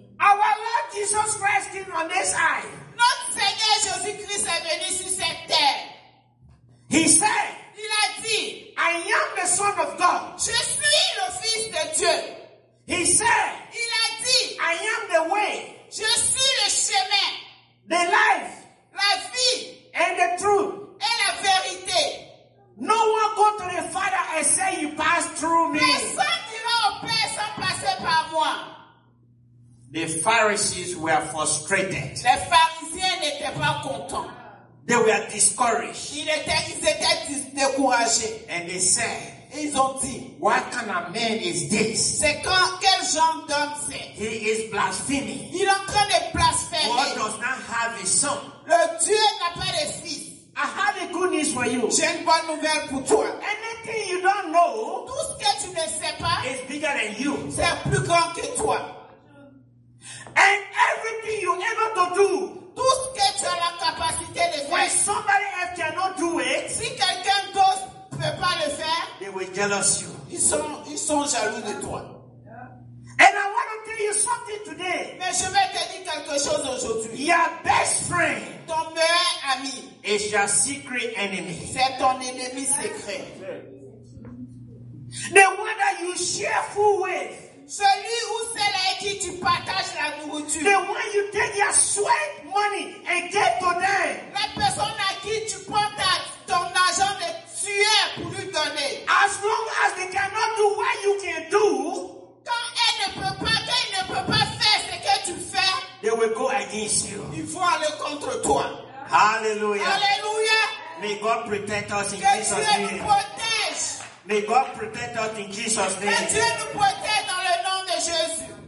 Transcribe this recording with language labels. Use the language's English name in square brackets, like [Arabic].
[English] Our Lord Jesus Christ came on this earth. [French] Notre Seigneur Jésus-Christ est venu sur cette terre. [English] He said, [French] il a dit, [English] I am the Son of God. [French] Je suis le Fils de Dieu. [English] He said, [French] il a dit, [English] I am the way. [French] Je suis le chemin. [English] The life. [French] La vie. [English] And the truth. [French] Et la vérité. [English] No one go to the Father and say you pass through me. [French] Personne ira au Père sans passer par moi. [English] The Pharisees were frustrated. [French] Les pharisiens n'étaient pas contents. [English] They were discouraged. [French] Ils étaient découragés. [English] And they said, [French] ils ont dit, [English] what kind of man is this? [French] C'est quel genre d'homme c'est? [English] He is blaspheming. [French] Il est en train de blasphémer. [English] God does not have a son. [French] Le Dieu n'a pas de fils. [English] I have a good news for you. [French] J'ai une bonne nouvelle pour toi. [English] Anything you don't know, [French] tout ce que tu ne sais pas, [English] is bigger than you. [French] C'est plus grand que toi. [English] And everything you able to do, [French] tout ce que tu as la capacité de faire, [English] when somebody else cannot do it, [French] si quelqu'un d'autre ne peut pas le faire, [English] they will jealous you. [French] Ils sont jaloux de toi. [English] And I want to tell you something today. [French] Mais je vais te dire quelque chose aujourd'hui. [English] Your best friend, [French] ton meilleur ami, [English] is your secret enemy. [French] C'est ton ennemi secret. [English] The one that you share food with. [French] Celui ou celle avec qui tu partages la nourriture. [English] The one you take your sweat money and get to them. [French] La personne à qui tu prends ton argent de sueur pour lui donner. [English] As long as they cannot do what you can do. [French] Quand elle ne peut pas faire ce que tu fais, [English] they will go against you. [French] Il faut aller contre toi. [English] Hallelujah. [French] Hallelujah. [English] May God protect us in Jesus' name. [French] Que Dieu nous protège. [English] May God protect us in Jesus' name. [French] Que Dieu nous protège dans le nom de Jésus.